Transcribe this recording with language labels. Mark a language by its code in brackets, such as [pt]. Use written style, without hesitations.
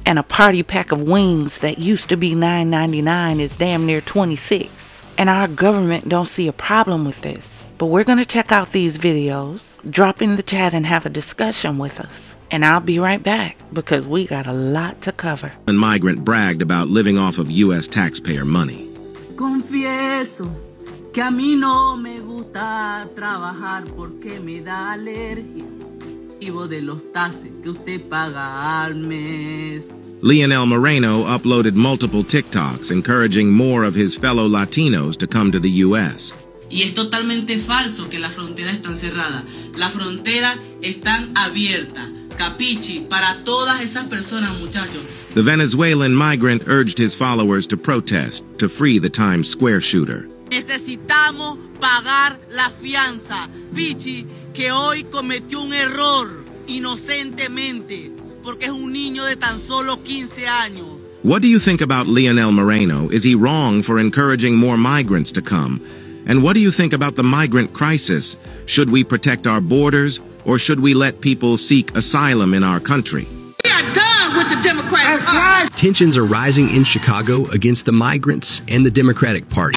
[en] And a party pack of wings that used to be $9.99 is damn near $26. And our government don't see a problem with this. But we're going to check out these videos. Drop in the chat and have a discussion with us. And I'll be right back because we got a lot to cover. A migrant bragged about living off of U.S. taxpayer money. [es] Confieso que a mí no me gusta trabajar porque me da alergia. [en] Leonel Moreno uploaded multiple TikToks encouraging more of his fellow Latinos to come to the U.S. [es] Y es totalmente falso que las fronteras están cerradas. Las fronteras están abiertas. Capichi, para todas esas personas, muchachos. [en] The Venezuelan migrant urged his followers to protest to free the Times Square shooter. [es] Necesitamos pagar la fianza. Pichi, que hoy cometió un error. Inocentemente, porque es un niño de tan solo 15 años. [en] What do you think about Leonel Moreno? Is he wrong for encouraging more migrants to come? And what do you think about the migrant crisis? Should we protect our borders or should we let people seek asylum in our country? We are done with the Democrats. Tensions are rising in Chicago against the migrants and the Democratic Party.